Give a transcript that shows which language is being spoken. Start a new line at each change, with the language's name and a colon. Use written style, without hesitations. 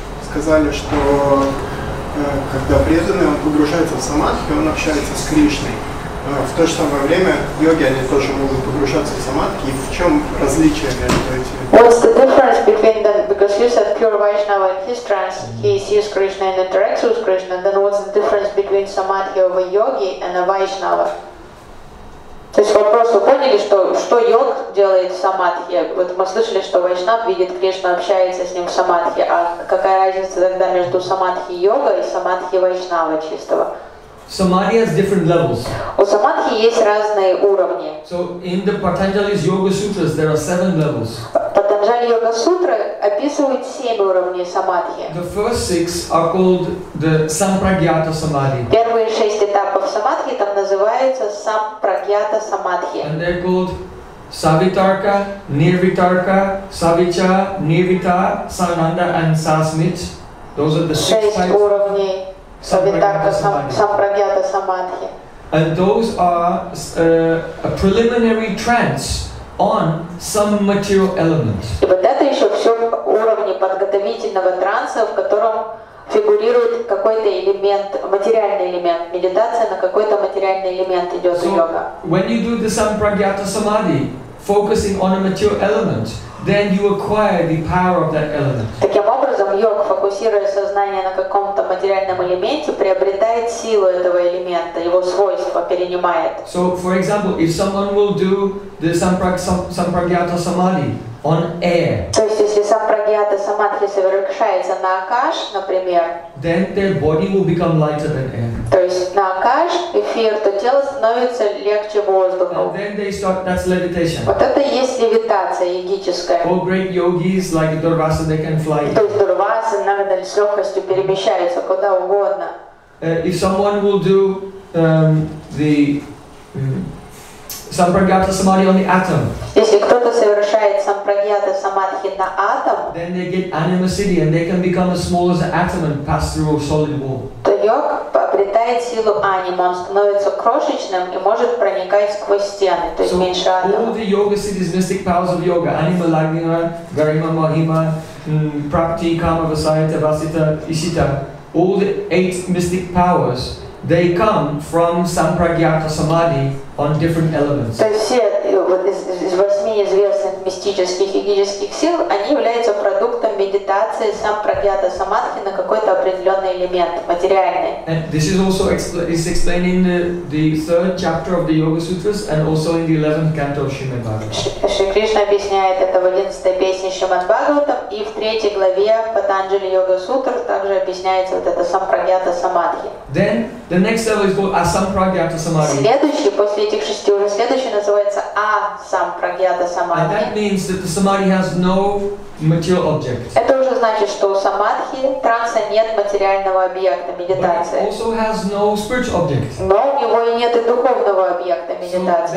Russian: Сказали, что когда преданный, он погружается в самадхи, он общается с Кришной. В то же самое время йоги, они тоже могут погружаться в самадхи. В чем различие между этими?
English: What's the difference between them? Because you said pure Vaishnava in his trance, he sees Krishna and interacts with Krishna. Then what's the difference between samadhi of a yogi and a Vaishnava?
Russian: То есть вопрос, вы поняли, что йог делает в самадхи? Вот мы слышали, что Вайшнав видит Кришну, общается с ним в самадхи. А какая разница тогда между самадхи йога и самадхи Вайшнава чистого?
English: Samadhi has different levels.
Russian: У самадхи есть разные уровни.
English: So in the Patanjali's Yoga Sutras there are 7 levels.
Russian: Патанджали Йога Сутра описывает 7 уровней самадхи.
English: The first 6 are called the Sampragyata Samadhi.
Russian: Первые 6 этапов самадхи там называются Sampragyata Samadhi.
English: And they're called Savitarka, Nirvitarka, Savicha, Nirvita, Sananda and Sasmit. Those are the 6
Russian: уровней. Sampragyata Samadhi.
English: And those are a preliminary trance on some material element.
Russian: И вот это еще все уровни подготовительного транса, в котором фигурирует какой-то элемент, материальный элемент. Медитация на какой-то материальный элемент идет йога.
English: When you do the Sampragyata Samadhi, focusing on a material element, then you acquire the power of that element.
Russian: Таким образом, йог, фокусируя сознание на каком-то материальном элементе, приобретает силу этого элемента, его свойства перенимает.
English: So, for example, if someone will do the Sampragyata Samadhi on air,
Russian: то есть если Sampragyata Samadhi совершается на Акаш, например,
English: then their body will become lighter than air.
Russian: То есть на Акаш, эфир, то тело становится легче воздуха.
English: And then they start, that's levitation.
Russian: Вот это и есть левитация йогическая.
English: All great yogis like Durvasa, they can fly.
Russian: То есть Дурваса, наверное, с легкостью перемещается куда угодно.
English: If someone will do the Sampragyata Samadhi on the atom,
Russian: если кто-то совершает Sampragyata Samadhi на атом,
English: then they get animosity and they can become as small as an atom and pass through a solid wall.
Russian: То йог обретает силу аниму, он становится крошечным и может проникать сквозь стены, то есть меньше атома.
English: All the yoga siddhis, mystic powers of yoga, anima lagina, garima mahima, prapti, kama vasayata, vasita, isita, all the 8 mystic powers, they come from Sampragyata Samadhi on different elements.
Russian: То есть все из 8 известных мистических и йогических сил, они являются продуктом медитации Sampragyata Samadhi на какой-то определенный элемент, материальный.
English: And this is also explained in the 3rd chapter of the Yoga Sutras and also in the 11th canto of Srimad Bhagavatam.
Russian: Шри Кришна объясняет это в 11-й песне Шримад Бхагаватам, и в 3-й главе Патанджали Йога Сутр также объясняется вот это Sampragyata Samadhi.
English: Then the next level is called Asampragyata Samadhi.
Russian: Следующий после этих 6 уже следующий называется Asampragyata Samadhi.
English: And that means that the samadhi has no material object.
Russian: Это уже значит, что у самадхи транса нет материального объекта медитации.
English: But it also has no spiritual object.
Russian: Но у него и нет и духовного объекта медитации.